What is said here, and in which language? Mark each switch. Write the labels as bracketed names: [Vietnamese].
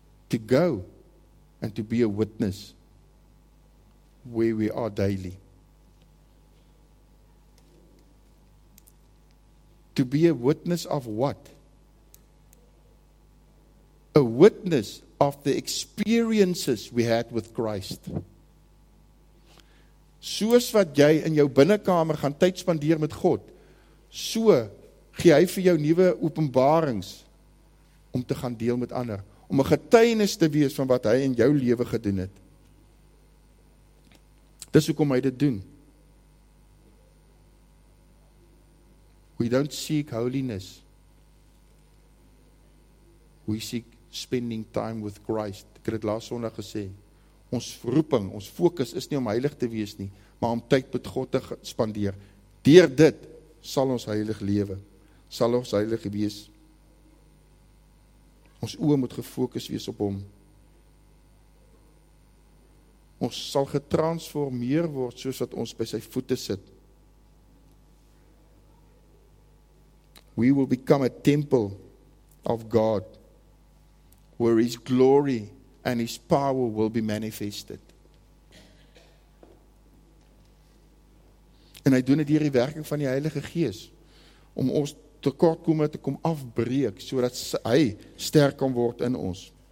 [English] To go and to be a witness where we are daily. To be a witness of what? A witness of the experiences we had with Christ. [Afrikaans] Soos wat jy in jou binnenkamer gaan tyd spandeer met God, so gee hy vir jou nuwe openbarings om te gaan deel met ander, om 'n getuienis te wees van wat hy in jou lewe gedoen het. Dis hoekom hy dit doen. [English] We don't seek holiness. We seek spending time with Christ. [Afrikaans] Ek het laas Sondag gesê, ons roeping, ons fokus is nie om heilig te wees nie, maar om tyd met God te spandeer. Deur dit sal ons heilig lewe, sal ons heilig wees. Ons oë moet gefokus wees op hom. Ons sal getransformeer word soos wat ons by sy voete sit. [English] We will become a temple of God where his glory and his power will be manifested. [Afrikaans] En hy doen dit hier die werking van die Heilige Gees om ons tekortkominge te kom afbreek sodat hy sterk kan word in ons.